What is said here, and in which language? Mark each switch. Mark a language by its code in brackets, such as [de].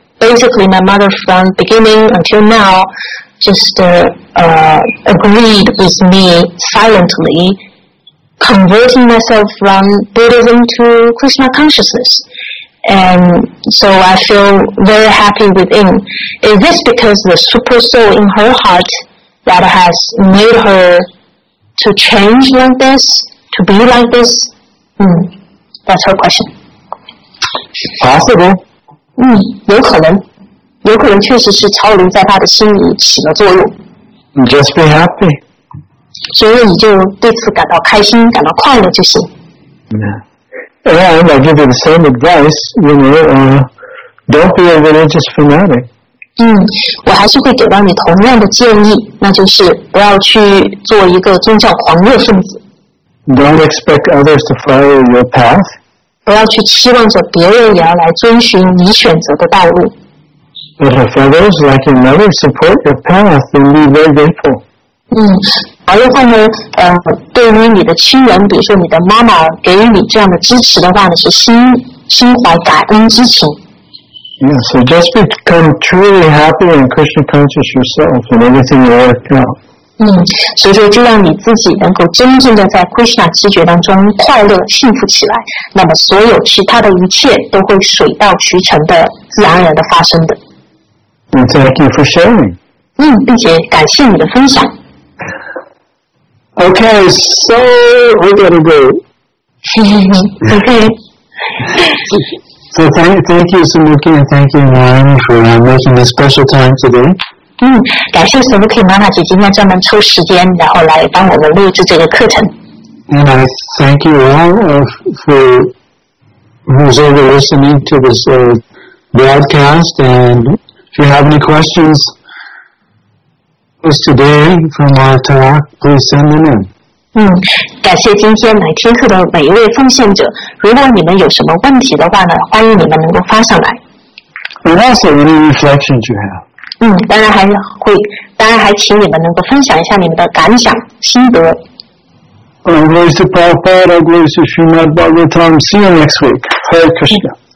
[en] Basically, my mother from beginning until now just agreed with me silently converting myself from Buddhism to Krishna consciousness. And so I feel very happy within. Is this because the super soul in her heart that has made her to change like this, to be like this? That's her question. Possible. [zh] 有可能确实是超灵在他的心里起了作用。 [en] Just be happy. [zh] 所以你就对此感到开心，感到快乐就行。 [en] Yeah. And I give you the same advice, you know, don't be a religious fanatic. [zh] 我还是会给到你同样的建议，那就是不要去做一个宗教狂热分子。 [en] Don't expect others to follow your path. [zh] 不要去期望着别人也要来遵循你选择的道路。 [en] But if others like your mother support your path, then be very grateful. [zh] 而的话呢，对于你的亲人，比如说你的妈妈给予你这样的支持的话呢，是心怀感恩之情。 [en] Yeah, so just become truly happy and Krishna conscious yourself, and everything will work out. [zh] 所以说就让你自己能够真正的在 Krishna 知觉当中快乐幸福起来，那么所有其他的一切都会水到渠成的自然而然的发生的。 [en] Thank you for sharing. [zh] 嗯，并且感谢你的分享。 [en] Okay, so we're gonna go. Okay. So thank you, Sumuki, and thank you, Ryan, for making this special time today. [zh] 嗯，感谢 Sumuki 妈妈姐今天专门抽时间，然后来帮我们录制这个课程。 [en] And I thank you all for who's over listening to this broadcast. And if you have any questions for today from our talk, please send them in. [zh] 嗯，感谢今天来听课的每一位奉献者。如果你们有什么问题的话呢，欢迎你们能够发上来。 [en] And also, any reflections you have. [zh] 嗯，当然还会，当然还请你们能够分享一下你们的感想、心得。 [en] All glories to Prabhupada, all glories to Srimad Bhagavatam. See you next week. Hare Krishna.